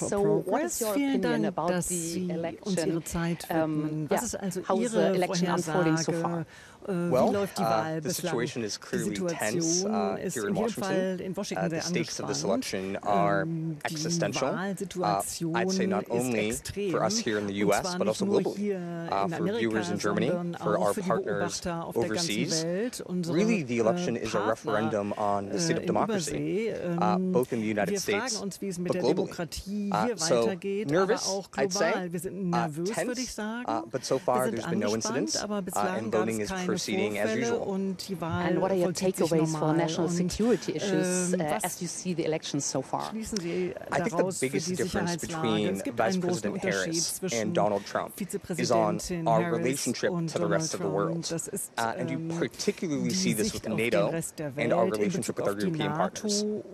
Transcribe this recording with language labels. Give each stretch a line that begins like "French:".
English: So, what is your opinion about the election?
German: Was ist also Ihre
English: election unfolding so far?
German: Wie läuft die Wahl bislang? Die Situation ist in jedem Fall in Washington sehr angespannt. Die Wahlsituation ist extrem, und zwar nicht nur hier in Amerika, sondern auch für die Beobachter auf der ganzen Welt. Unsere Partner übersee. Wir fragen uns, wie es mit der Demokratie hier weitergeht, aber auch global. Wir sind nervös, würde ich sagen. Wir sind angespannt, aber bislang gab es keine
English: And what are your takeaways for national security issues as you see the elections so far? I think the biggest difference between Vice President Harris and Donald Trump is on our relationship to the rest of the world. And you particularly see this with NATO and our relationship with our European partners.